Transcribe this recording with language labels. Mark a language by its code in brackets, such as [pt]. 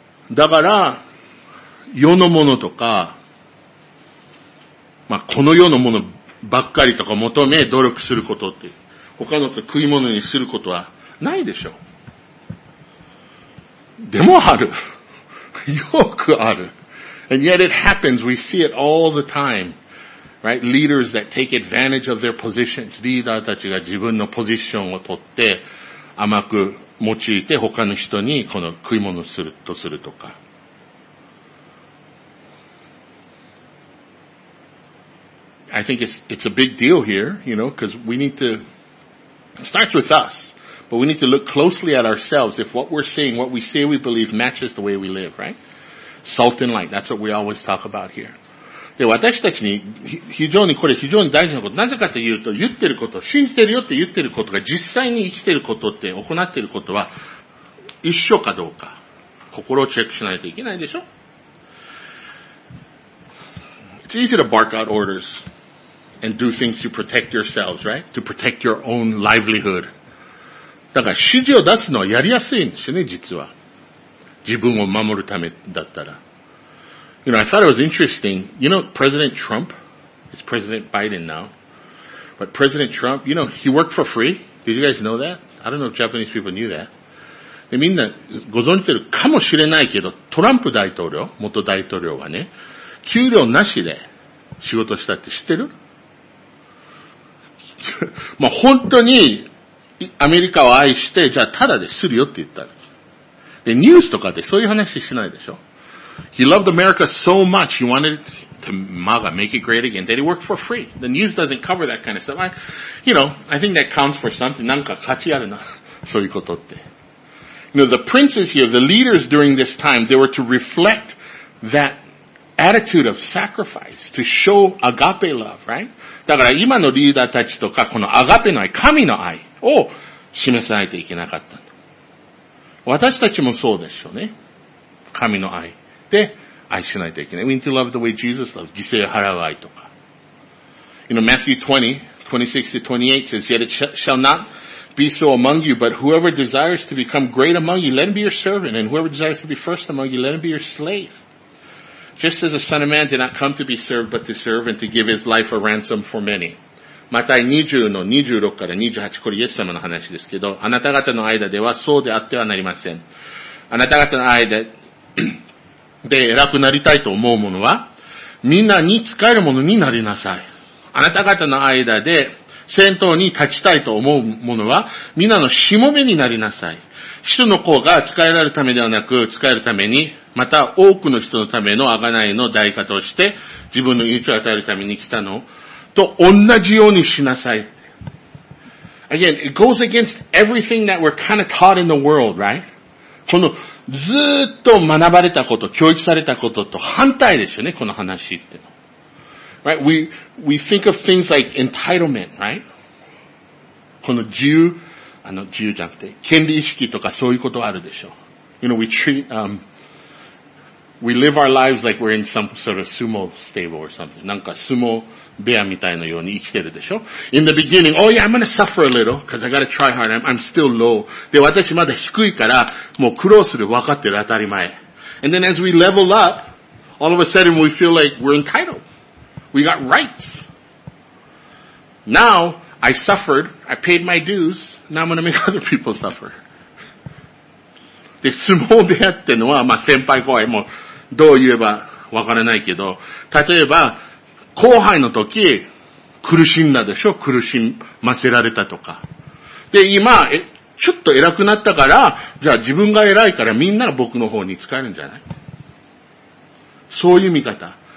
[ja] だから、世のものとか、まあ、この世のものばっかりとか求め努力することって、他のと食い物にすることはないでしょう。でもある。よくある。 [en] And yet it happens. We see it all the time. Right, leaders that take advantage of their positions. [ja] リーダーたちが自分のポジションを取って甘く用いて他の人にこの食い物をするとするとか。 [en] I think it's a big deal here, you know, because we need to, it starts with us, but we need to look closely at ourselves if what we're saying, what we say we believe matches the way we live, right? Salt and light, that's what we always talk about here. [ja] で、私たちに非常にこれ非常に大事なこと。なぜかというと、言ってること、信じてるよって言ってることが実際に生きてることって行っていることは一緒かどうか。心をチェックしないといけないでしょ [en] ?It's easy to bark out orders and do things to protect yourselves, right? To protect your own livelihood. [ja] だから指示を出すのはやりやすいんですよね、実は。自分を守るためだったら。 [en] You know, I thought it was interesting. You know, President Trump, it's President Biden now. But President Trump, you know, he worked for free. Did you guys know that? I don't know if Japanese people knew that. [ja] で、みんなご存知てるかもしれないけど、トランプ大統領、元大統領はね、給料なしで仕事したって知ってる？まあ本当にアメリカを愛して、じゃあただでするよって言ったら。で、ニュースとかでそういう話しないでしょ。 [en] He loved America so much, he wanted to MAGA, make it great again, that he worked for free. The news doesn't cover that kind of stuff. I think that counts for something. [ja] なんか価値あるな。そういうことって。 [en] You know, the princes here, the leaders during this time, they were to reflect that attitude of sacrifice, to show agape love, right? [ja] だから今のリーダーたちとか、このアガペの愛、神の愛を示さないといけなかった。私たちもそうでしょうね。神の愛。で、愛しないといけない。 [en] We need to love the way Jesus loves. [ja] 犠牲を払う愛とか。 [en] You know, Matthew 20:26-28 says, Yet it shall not be so among you, but whoever desires to become great among you, let him be your servant. And whoever desires to be first among you, let him be your slave. Just as the Son of Man did not come to be served, but to serve and to give his life a ransom for many. [ja] マタイ20:26-28、これイエス様の話ですけど、あなた方の間ではそうであってはなりません。あなた方の間、で、偉くなりたいと思うものは、みんなに仕えるものになりなさい。あなた方の間で、先頭に立ちたいと思うものは、みんなのしもべになりなさい。主の子が仕えられるためではなく、仕えるために、また多くの人のための贖いの代価として、自分の命を与えるために来たのと同じようにしなさい。 [en] Again, it goes against everything that we're kind of taught in the world, right? [ja] このずーっと学ばれたこと、教育されたことと反対ですよね、この話っての。 [en] right? We think of things like entitlement, right? [ja] この自由、あの自由じゃなくて、権利意識とかそういうことあるでしょ。 [en] You know, we live our lives like we're in some sort of sumo stable or something. [ja] なんか sumo部屋みたいなように生きてるでしょ。 [en] In the beginning, oh yeah, I'm gonna suffer a little, cause I gotta try hard, I'm still low. [ja] で、私まだ低いから、もう苦労する、分かってる、当たり前。 [en] And then as we level up, all of a sudden we feel like we're entitled. We got rights. Now, I suffered, I paid my dues, now I'm gonna make other people suffer. [ja] で、相撲部屋ってのは、まあ、先輩後輩も、どう言えばわからないけど、例えば、後輩の時、苦しんだでしょ、苦しませられたとか。で、今、ちょっと偉くなったから、じゃあ自分が偉いからみんなが僕の方に使えるんじゃない?そういう見方。